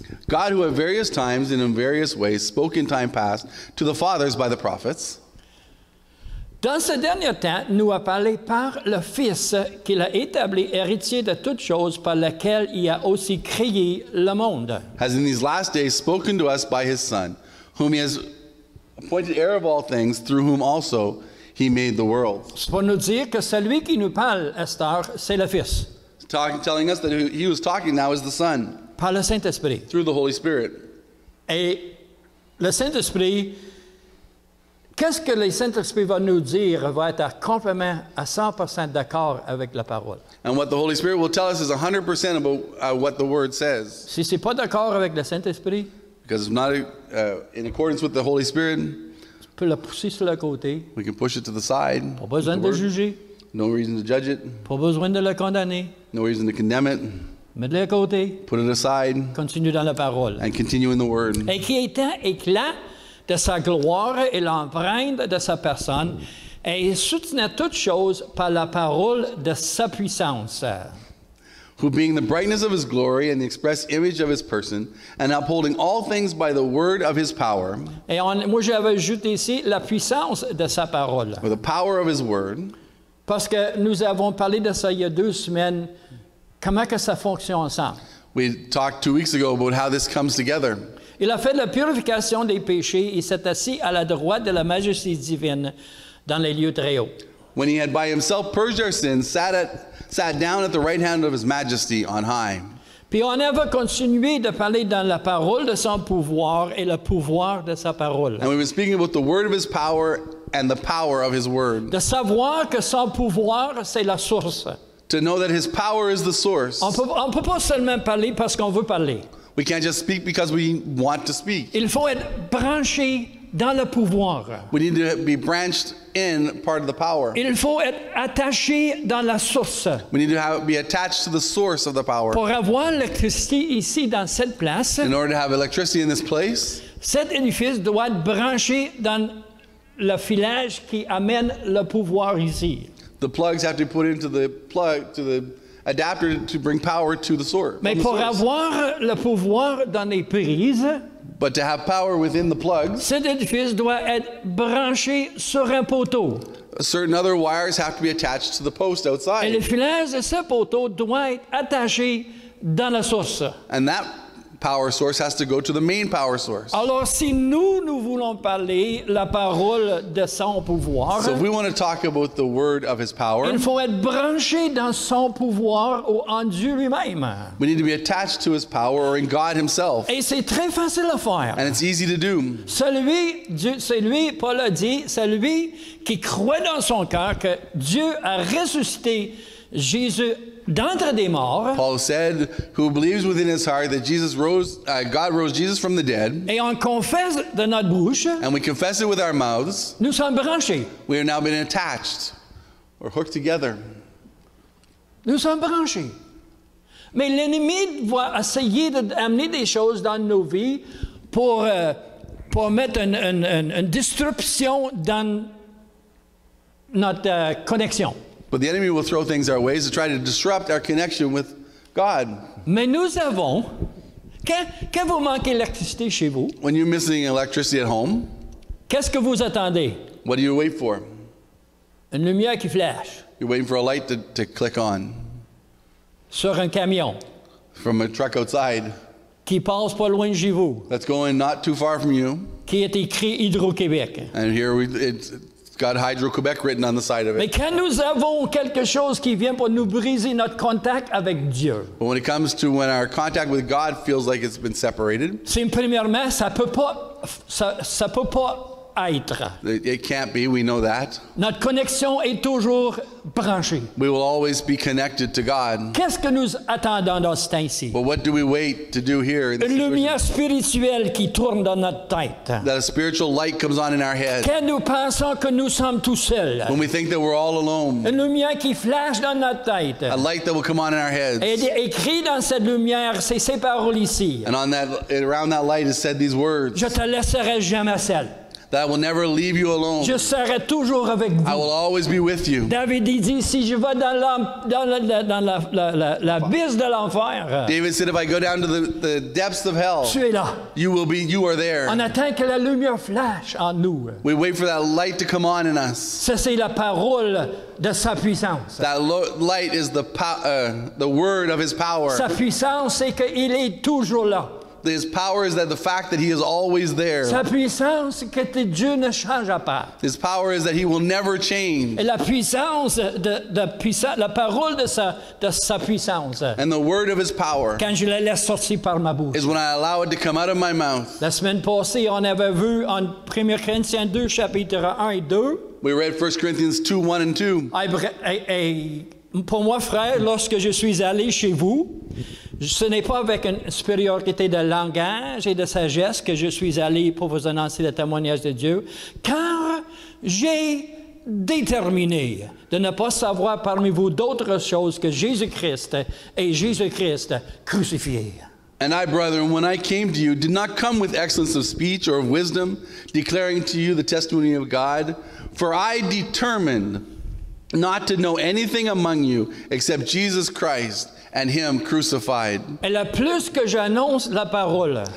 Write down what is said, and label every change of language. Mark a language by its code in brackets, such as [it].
[en] God, who at various times and in various ways spoke in time past to the fathers by the prophets. [fr] Dans ce dernier temps, nous a parlé par le Fils qu'il a établi héritier de toutes choses par lesquelles il a aussi créé le monde. [en] Has in these last days spoken to us by his Son, whom he has appointed heir of all things, through whom also he made the world. [fr] C'est pour nous dire que celui qui nous parle, Esther, c'est le Fils. [en] Telling us that he was talking now is the Son. [fr] Par le Saint-Esprit. [en] Through the Holy Spirit. [fr] Et le Saint-Esprit, qu'est-ce que le Saint-Esprit va nous dire va être complètement à 100% d'accord avec la parole. [en] And what the Holy Spirit will tell us is 100% about what the Word says. [fr] Si c'est pas d'accord avec le Saint-Esprit. [en] Because it's not in accordance with the Holy Spirit. [fr] On peut le pousser sur le côté. [en] We can push it to the side. [fr] Pas besoin de juger. [en] No reason to judge it. [fr] Pas besoin de le condamner. [en] No reason to condemn it. [fr] Mets-le à côté. [en] Put it aside. [fr] Continue dans la parole. [en] And continue in the word. [fr] Et qui était éclat de sa gloire et l'empreinte de sa personne, et il soutenait toutes choses par la parole de sa puissance. [en] Who being the brightness of his glory and the express image of his person, and upholding all things by the word of his power. [fr] Et moi j'avais ajouté ici la puissance de sa parole. [en] With the power of his word. [fr] Parce que nous avons parlé de ça il y a deux semaines. Comment que ça fonctionne ensemble? [en] We talked 2 weeks ago about how this comes together. [fr] Il a fait la purification des péchés et s'est assis à la droite de la majesté divine dans les lieux très hauts. [en] When he had by himself purged our sins, sat down at the right hand of his majesty on high. [fr] Puis on avait continué de parler dans la parole de son pouvoir et le pouvoir de sa parole. [en] And we were speaking about the word of his power and the power of his word. [fr] De savoir que son pouvoir, c'est la source. [en] To know that his power is the source. [fr] On peut pas seulement parler parce qu'on veut parler. [en] We can't just speak because we want to speak. [fr] Il faut être branché dans le pouvoir. [en] We need to be branched in part of the power. [fr] Il faut être attaché dans la source. [en] We need to be attached to the source of the power. [fr] Pour avoir l'électricité ici dans cette place, [en] in order to have electricity in this place, [fr] cet édifice doit être branché dans le filage qui amène le pouvoir ici. [en] The plugs have to be put into the plug to the adapter to bring power to the source. [fr] Mais pour avoir le pouvoir dans les prises, [en] but to have power within the plugs, [fr] cet édifice doit être branché sur un poteau. [en] Certain other wires have to be attached to the post outside. [fr] Et le filage de ce poteau doit être attaché dans la source. [en] And that power source has to go to the main power source. [fr] Alors, si nous voulons parler la parole de son pouvoir, [en] so if we want to talk about the word of his power, [fr] il faut être branché dans son pouvoir ou en Dieu lui-même. [en] We need to be attached to his power or in God himself. [fr] Et c'est très facile à faire. [en] And it's easy to do. [fr] Celui, Paul a dit, celui qui croit dans son cœur que Dieu a ressuscité Jésus d'entre des morts, [en] Paul said, who believes within his heart that Jesus rose, God rose Jesus from the dead, [fr] et on confesse de notre bouche, [en] and we confess it with our mouths, [fr] nous sommes branchés. [en] We are now being attached or hooked together. [fr] Nous sommes branchés. Mais l'ennemi va essayer d'amener des choses dans nos vies pour mettre une disruption dans notre connexion. [en] But the enemy will throw things our ways to try to disrupt our connection with God. [fr] Mais nous avons, quand vous manquez d'électricité chez vous, [en] when you're missing electricity at home, [fr] qu'est-ce que vous attendez? [en] What do you wait for? [fr] Une lumière qui flash. [en] You're waiting for a light to click on. [fr] Sur un camion. [en] From a truck outside. [fr] Qui passe pas loin de chez vous. [en] That's going not too far from you. [fr] Qui est écrit Hydro-Québec. [en] And here it's got Hydro-Québec written on the side of it. [fr] Mais quand nous avons quelque chose qui vient pour nous briser notre contact avec Dieu, [en] but when it comes to when our contact with God feels like it's been separated, [fr] c'est premièrement, ça peut pas être. [en] It can't be, we know that. [fr] Notre connexion est toujours branchée. [en] We will always be connected to God. [fr] Qu'est-ce que nous attendons dans ce temps ici? [en] But what do we wait to do here? [fr] Une lumière spirituelle qui tourne dans notre tête. [en] That a spiritual light comes on in our head. [fr] Quand nous pensons que nous sommes tout seuls. [en] When we think that we're all alone. [fr] Une lumière qui flash dans notre tête. [en] A light that will come on in our heads. [fr] Et écrit dans cette lumière, c'est ces paroles ici. [en] And on that, around that light is said these words. [fr] Je te laisserai jamais seul. [en] That I will never leave you alone. [fr] Je serai toujours avec vous. [en] I will always be with you. [fr] David dit, si je vais dans la bise de l'enfer. [en] David said, if I go down to the depths of hell, [fr] tu es là. [en] You are there. [fr] On attend que la lumière flash en nous. [en] We wait for that light to come on in us. [fr] Ça, c'est la parole de sa puissance. [en] That light is the word of his power. [fr] Sa puissance, c'est qu'il est toujours là. [en] His power is that the fact that he is always there. [fr] Sa puissance, que Dieu ne changera pas. [en] His power is that he will never change. [fr] Et la puissance la parole de sa puissance. [en] And the word of his power. [fr] Quand je la laisse sortir par ma bouche. [en] Is when I allow it to come out of my mouth. [fr] La semaine passée, on avait vu en 1 Corinthiens 2 chapitre 1 et 2. [en] We read 1 Corinthians 2, 1 and 2. [fr] Pour moi, frère, lorsque je suis allé chez vous, ce n'est pas avec une supériorité de langage et de sagesse que je suis allé pour vous annoncer le témoignage de Dieu, car j'ai déterminé de ne pas savoir parmi vous d'autres choses que Jésus-Christ et Jésus-Christ crucifié. [en] And I, brethren, when I came to you, did not come with excellence of speech or of wisdom, declaring to you the testimony of God, for I determined not to know anything among you except Jesus Christ and him crucified. [fr] Et le plus que j'annonce la parole,